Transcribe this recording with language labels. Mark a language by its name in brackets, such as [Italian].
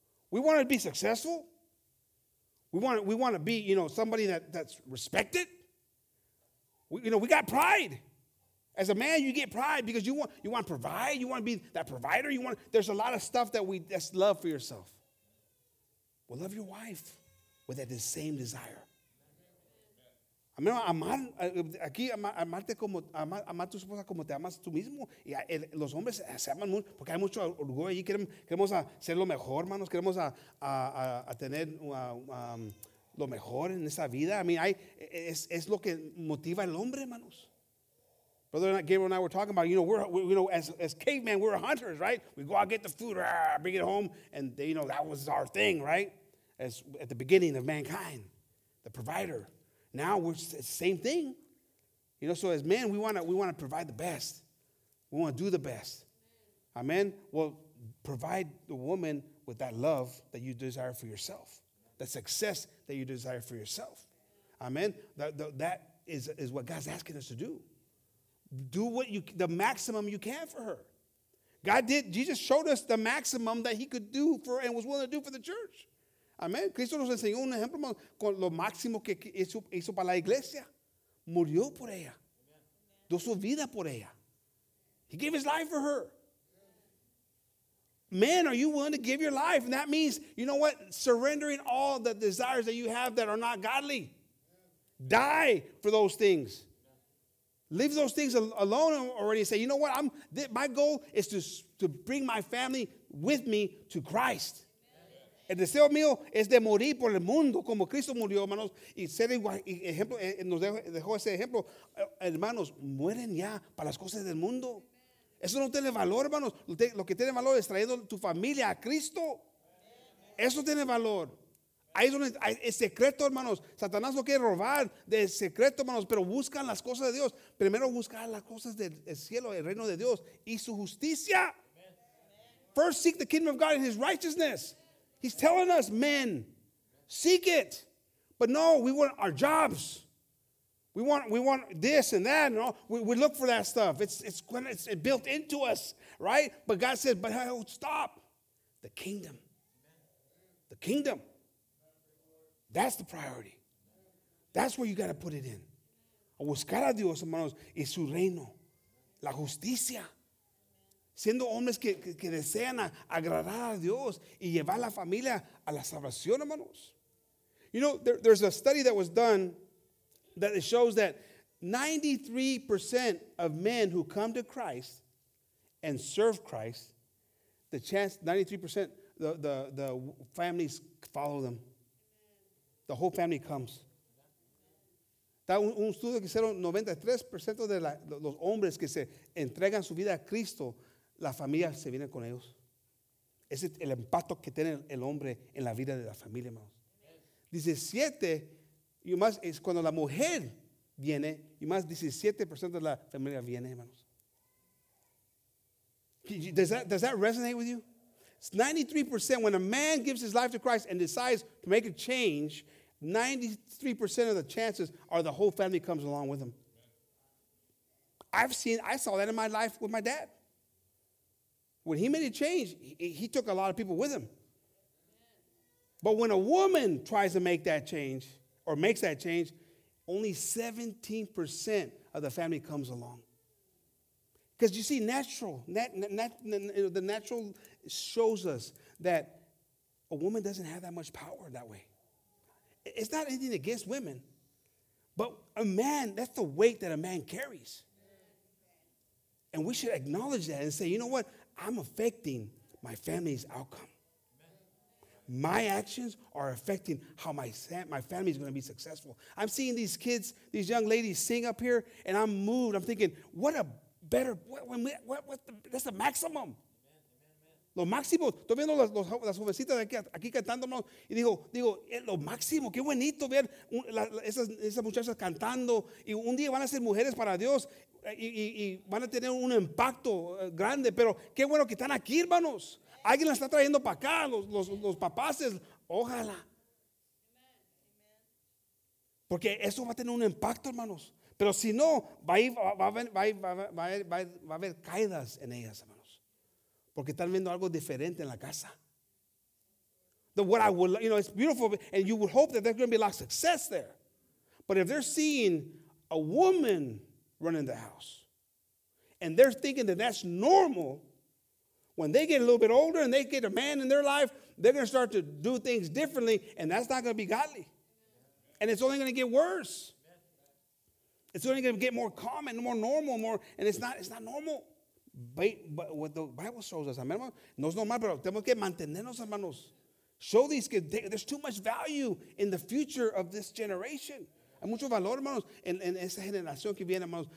[English] We want to be successful. We want to be, you know, somebody that's respected. We got pride. As a man, you get pride because you want to provide. You want to be that provider. There's a lot of stuff that's love for yourself. Well, love your wife with that same desire. [Spanish] Amén. Amar aquí amarte como amar tu esposa como te amas tú mismo. Y los hombres se aman mucho porque hay mucho orgullo allí. Queremos ser lo mejor, hermanos. Queremos tener lo mejor en esa vida. [English] I mean, [Spanish] es lo que motiva al hombre, hermanos. [English] Brother Gabriel and I were talking about, you know, as cavemen, we're hunters, right? We go out, get the food, bring it home, and they, you know, that was our thing, right? As at the beginning of mankind, the provider. Now we're the same thing. You know, so as men, we want to provide the best. We want to do the best. Amen. Well, provide the woman with that love that you desire for yourself, the success that you desire for yourself. Amen. That is what God's asking us to do. Do what you the maximum you can for her. God did. Jesus showed us the maximum that he could do for and was willing to do for the church. Amen. [Spanish] Cristo nos enseñó un ejemplo con lo máximo que hizo para la iglesia. Murió por ella. Dio su vida por ella. [English] He gave his life for her. Man, are you willing to give your life? And that means, you know what? Surrendering all the desires that you have that are not godly. Die for those things. Leave those things alone already. Say, you know what? My goal is to bring my family with me to Christ. [Spanish] El deseo mío es de morir por el mundo como Cristo murió, hermanos. Y ser igual, ejemplo, nos dejó ese ejemplo. Hermanos, mueren ya para las cosas del mundo. Eso no tiene valor, hermanos. Lo que tiene valor es trayendo tu familia a Cristo. Eso tiene valor. Ahí es donde hay el secreto, hermanos. Satanás lo quiere robar del secreto, hermanos, pero buscan las cosas de Dios. Primero buscar las cosas del cielo, el reino de Dios y su justicia. [English] Amen. First seek the kingdom of God and his righteousness. He's telling us, men, seek it. But no, we want our jobs. We want this and that. No, we look for that stuff. It's built into us, right? But God says, but hey, stop. The kingdom. The kingdom. That's the priority. That's where you got to put it in. [Spanish] A buscar a Dios, hermanos, y su reino. La justicia. Siendo hombres que desean agradar a Dios y llevar la familia a la salvación, hermanos. [English] You know, there's a study that was done that it shows that 93% of men who come to Christ and serve Christ, the chance, 93%, the families follow them. The whole family comes. [Spanish] Está un estudio que hicieron 93% de los hombres que se entregan su vida a Cristo, la familia se viene con ellos. Ese es el impacto que tiene el hombre en la vida de la familia, hermanos. 17, y más es cuando la mujer viene, y más 17% de la familia viene, hermanos. [English] Does that resonate with you? It's 93% when a man gives his life to Christ and decides to make a change. 93% of the chances are the whole family comes along with them. I saw that in my life with my dad. When he made a change, he took a lot of people with him. But when a woman tries to make that change or makes that change, only 17% of the family comes along. Because you see, the natural shows us that a woman doesn't have that much power that way. It's not anything against women, but a man, that's the weight that a man carries. And we should acknowledge that and say, you know what? I'm affecting my family's outcome. My actions are affecting how my family is going to be successful. I'm seeing these kids, these young ladies sing up here, and I'm moved. I'm thinking, that's the maximum. [Spanish] Lo máximo, estoy viendo las jovencitas aquí cantando, hermanos, y digo, lo máximo, qué bonito ver esas muchachas cantando, y un día van a ser mujeres para Dios, y van a tener un impacto grande, pero qué bueno que están aquí, hermanos, alguien las está trayendo para acá, los papaces, ojalá, porque eso va a tener un impacto, hermanos, pero si no, va a haber caídas en ellas, hermanos. Porque están viendo algo diferente en la casa. [English] The what I would, you know, it's beautiful, and you would hope that there's going to be a lot of success there. But if they're seeing a woman running the house, and they're thinking that that's normal, when they get a little bit older and they get a man in their life, they're going to start to do things differently, and that's not going to be godly. And it's only going to get worse. It's only going to get more common, more normal, more, and it's not normal. But what the Bible shows us, [Spanish] amen, no es normal, pero tenemos que mantenernos, hermanos. [English] Show these kids, there's too much value in the future of this generation. [Spanish] Hay mucho valor, hermanos, en esa generación que viene, hermanos.